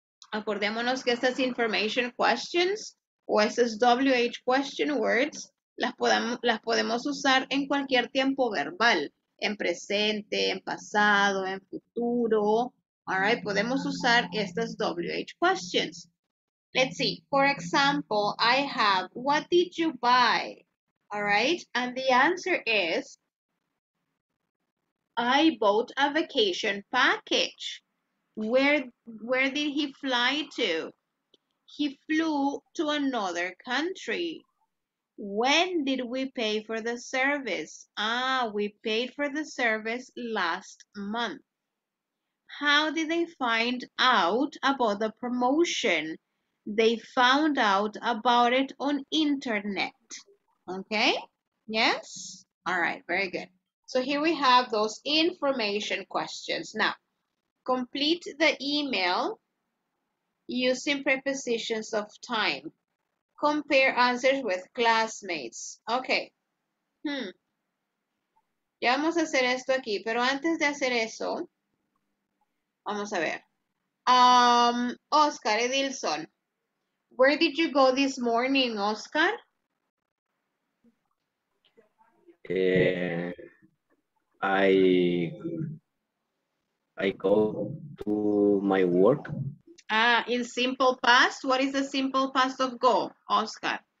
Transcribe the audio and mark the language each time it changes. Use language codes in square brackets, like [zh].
[es] acordémonos que estas [en] information questions [es] o esas [en] WH question words [es] las podemos usar en cualquier tiempo verbal, en presente, en pasado, en futuro. [en] All right, [es] podemos usar estas WH questions. [en] Let's see, for example, I have, what did you buy? All right, and the answer is, I bought a vacation package. Where did he fly to? He flew to another country. When did we pay for the service? Ah, we paid for the service last month. How did they find out about the promotion? They found out about it on internet. Okay? Yes? All right, very good. So here we have those information questions. Now, complete the email using prepositions of time. Compare answers with classmates. Okay. [es] Ya vamos a hacer esto aquí, pero antes de hacer eso, vamos a ver. [en] Oscar Edilson, where did you go this morning, Oscar? I go to my work. In simple past, what is the simple past of go, Oscar?